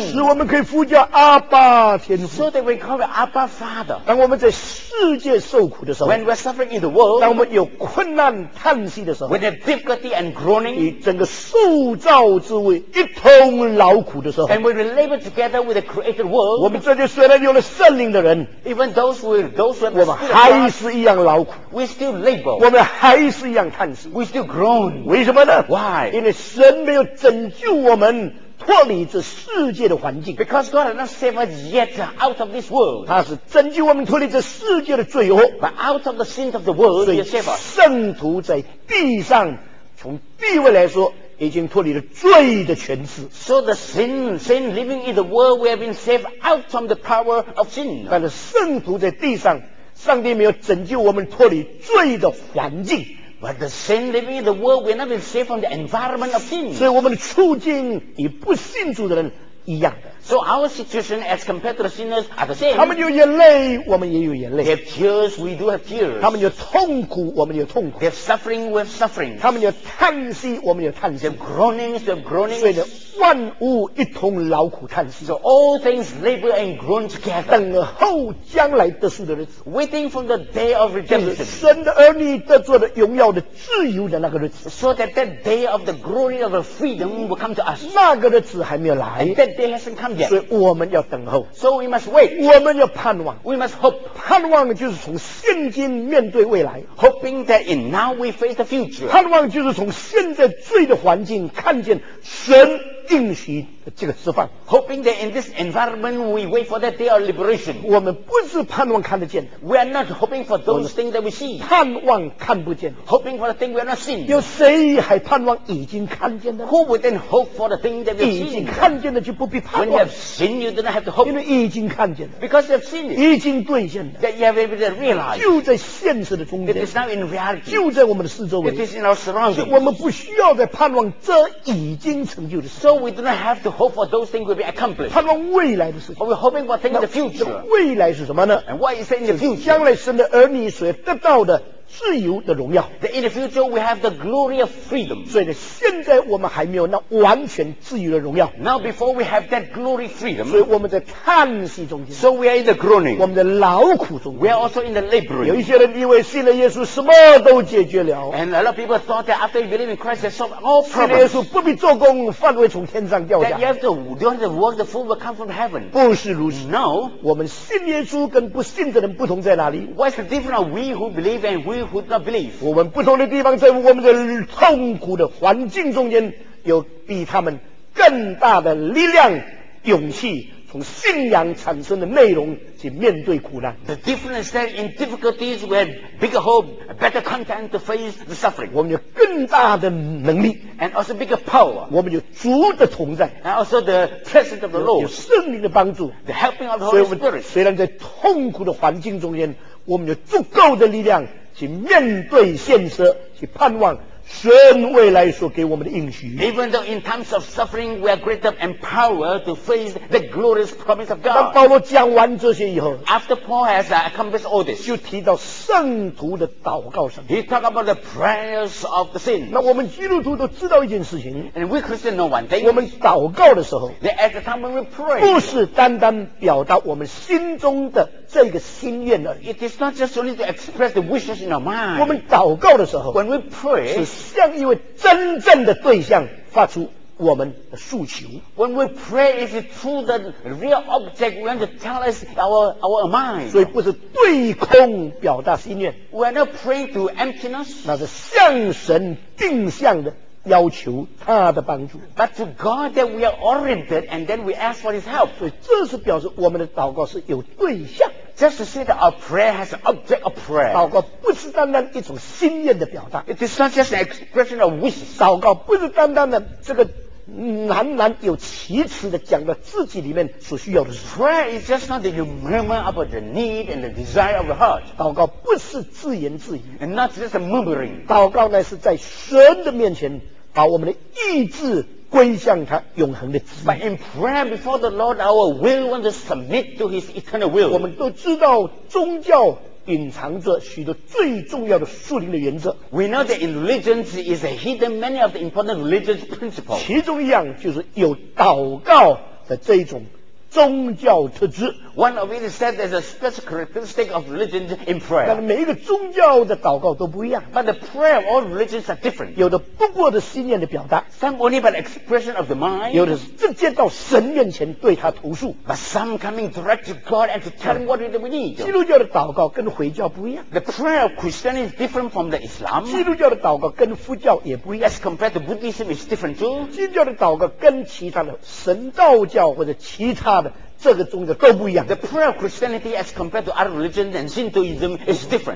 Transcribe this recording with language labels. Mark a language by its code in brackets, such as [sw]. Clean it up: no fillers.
[zh] 使我们可以呼叫阿爸天父。 [en] So that we call him Abba Father. [zh] 当我们在世界受苦的时候， [en] When we are suffering in the world, [zh] 当我们有困难叹息的时候， [en] When there is difficulty and groaning, [zh] 与整个塑造之位一同劳苦的时候， [en] and when we labor together with the created world, [zh] 我们这些虽然有了圣灵的人， [en] even those who have, [zh] 我们还是一样劳苦， [en] we still labor, [zh] 我们还是一样叹息， [en] we still groan. [zh] 为什么呢？ [en] Why? [zh] 因为神没有拯救我们脱离这世界的环境。 [en] Because God has not saved us yet out of this world. [zh] 他是拯救我们脱离这世界的罪恶。 [en] But out of the sins of the world, he has saved us. [zh] 圣徒在地上从地位来说已经脱离了罪的权势。 [en] So the sin living in the world, we have been saved out from the power of sin. [zh] 但是圣徒在地上，上帝没有拯救我们脱离罪的环境。 [en] But the sin living in the world, we have not been saved from the environment of sin. [zh] 所以我们的处境与不信主的人一样的。 [en] So our situation as compared to the sinners are the same. [zh] 他们有眼泪，我们也有眼泪。 [en] They have tears, we do have tears. [zh] 他们有痛苦，我们有痛苦。 [en] They have suffering, we have suffering. [zh] 他们有叹息，我们有叹息。 [en] They have groanings, we have groanings. [zh] 所以万物一同劳苦叹息。 [en] So all things labor and groan together. [zh] 等候将来得赎的日子。 [en] Waiting for the day of redemption. [zh] 就是神的儿女得着的荣耀的自由的那个日子。 [en] So that day of the glory of the freedom will come to us. [zh] 那个日子还没有来。 [en] And that day hasn't come yet. [zh] 所以我们要等候。 [en] So we must wait. [zh] 我们要盼望。 [en] We must hope. [zh] 盼望就是从现今面对未来。 [en] Hoping that in now we face the future. [zh] 盼望就是从现在罪的环境看见神应许这个释放。 [en] Hoping that in this environment we wait for that day of liberation. [zh] 我们不是盼望看得见的。 [en] We are not hoping for those things that we see. [zh] 盼望看不见的。 [en] Hoping for the thing we are not seeing. [zh] 有谁还盼望已经看见的？ [en] Who would then hope for the thing that we have seen? [zh] 已经看见的就不必盼望。 [en] When you have seen, you do not have to hope. [zh] 因为已经看见的。 [en] Because you have seen it. [zh] 已经兑现的。 [en] That you have been realized. [zh] 就在现实的中间。 [en] It is now in reality. [zh] 就在我们的四周围。 [en] It is in our surroundings. [zh] 我们不需要再盼望这已经成就的事。 [en] So we do not have to hope for those things will be accomplished. [zh] 盼望未来的事情。 [en] But we're hoping for things in the future. [zh] 未来是什么呢？ [en] And what is in the future? [zh] 将来神的儿女所得到的自由的荣耀。 [en] That in the future we have the glory of freedom. [zh] 所以呢，现在我们还没有那完全自由的荣耀。 [en] Now before we have that glory freedom. [zh] 所以我们在叹息中间。 [en] So we are in the groaning. [zh] 我们在劳苦中间。 [en] We are also in the laboring. [zh] 有一些人以为信了耶稣什么都解决了。 [en] And a lot of people thought that after you believe in Christ, that's all problems. [zh] 信了耶稣不必做工，饭会从天上掉下。 [en] That you have to do the work, the food will come from heaven. [zh] 不是如此。 [en] No. [zh] 我们信耶稣跟不信的人不同在哪里？ [en] What's the difference of we who believe and we who do not believe? [zh] 我们不同的地方在我们的痛苦的环境中间，有比他们更大的力量、勇气，从信仰产生的内容去面对苦难。 [en] The difference that in difficulties we have bigger hope, better content to face the suffering. [zh] 我们有更大的能力。 [en] And also bigger power. [zh] 我们有主的同在。 [en] And also the presence of the Lord. [zh] 有圣灵的帮助。 [en] The helping of the Holy Spirit. [zh] 虽然在痛苦的环境中间，我们有足够的力量去面对现实，去盼望神未来所给我们的应许。 [en] Even though in times of suffering, we are greater empowered to face the glorious promise of God. [zh] 当保罗讲完这些以后 [en] ，After Paul has accomplished all this， [zh] 就提到圣徒的祷告上。 [en] He talked about the prayers of the saints. [zh] 那我们基督徒都知道一件事情 [en] ，And we Christians know one thing. [zh] 我们祷告的时候 [en] ，That at the time when we pray， [zh] 不是单单表达我们心中的这个心愿而已。 [en] It is not just only to express the wishes in our mind. [zh] 我们祷告的时候 [en] ，When we pray。 [zh] 向一位真正的对象发出我们的诉求。 [en] When we pray, is it to the real object? We want to tell us our mind. [zh] 所以不是对空表达心愿。 [en] We're not praying to emptiness. [zh] 那是向神定向的要求他的帮助。 [en] But to God that we are oriented and then we ask for His help. [zh] 所以这是表示我们的祷告是有对象。 [en] Just to say that our prayer has an object of prayer. [zh] 祷告不是单单一种心愿的表达。 [en] It is not just an expression of wish. [zh] 祷告不是单单的这个喃喃有其词的讲到自己里面所需要的事。 [en] Prayer is just not that you murmur about the need and the desire of the heart. [zh] 祷告不是自言自语。 [en] And not just a murmuring. [zh] 祷告呢是在神的面前把我们的意志归向他永恒的旨意。 [en] But in prayer before the Lord, our will wants to submit to His eternal will. [zh] 我们都知道宗教隐藏着许多最重要的属灵的原则。 [en] We know that in religions is a hidden many of the important religious principles. [zh] 其中一样就是有祷告的这一种宗教特质。 [en] One of it is said there's a special characteristic of religion in prayer. [zh] 但每一个宗教的祷告都不一样。 [en] But the prayer of all religions are different. [zh] 有的不过的心念的表达。 [en] Some only by the expression of the mind. [zh] 有的是直接到神面前对他投诉。 [en] But some coming direct to God and to tell him what we need. [zh] 基督教的祷告跟回教不一样。 [en] The prayer of Christianity is different from the Islam. [zh] 基督教的祷告跟佛教也不一样。 [en] As compared to Buddhism is different too. [zh] 基督教的祷告跟其他的神道教或者其他的这个宗教都不一样。 [en] The prayer of Christianity as compared to other religions and Shintoism is different.